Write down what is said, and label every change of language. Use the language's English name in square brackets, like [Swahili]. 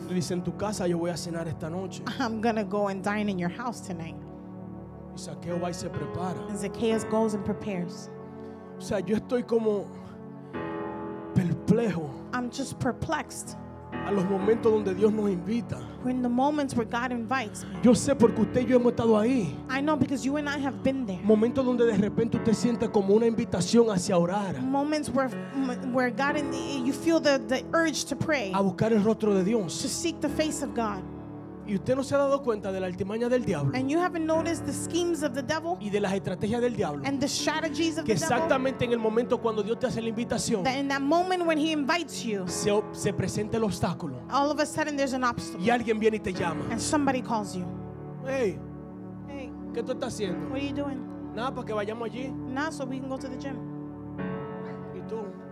[Spanish] Le dice, en tu casa yo voy a cenar esta noche. [English] I'm gonna go and dine in your house tonight. [Spanish] Y Zaqueo va y se prepara. [English] And Zacchaeus goes and prepares. [Spanish] O sea, yo estoy como perplejo. [English] I'm just perplexed. [Spanish] A los momentos donde Dios nos invita. [English] In the moments where God invites me. [Spanish] Yo sé porque usted y yo hemos estado ahí. [English] I know because you and I have been there. [Spanish] Momentos donde de repente usted siente como una invitación hacia orar. [English] Moments where God and you feel the urge to pray. [Spanish] A buscar el rostro de Dios. [English] To seek the face of God. [Spanish] Y usted no se ha dado cuenta de la artimaña del diablo. [English] And you haven't noticed the schemes of the devil. [Spanish] Y de las estrategias del diablo. [English] And the strategies of [Spanish] que exactamente en el momento cuando Dios te hace la invitación. [English] That in that moment when he invites you. [Spanish] Se presenta el obstáculo. [English] All of a sudden there's an obstacle. [Spanish] Y alguien viene y te llama. [English] And somebody calls you. Hey. Hey. [Spanish] ¿Qué tú estás haciendo? [English] What are you doing? [Spanish] Nada, para que vayamos allí. [English] Nada, so we can go to the gym. [Spanish] Y tú.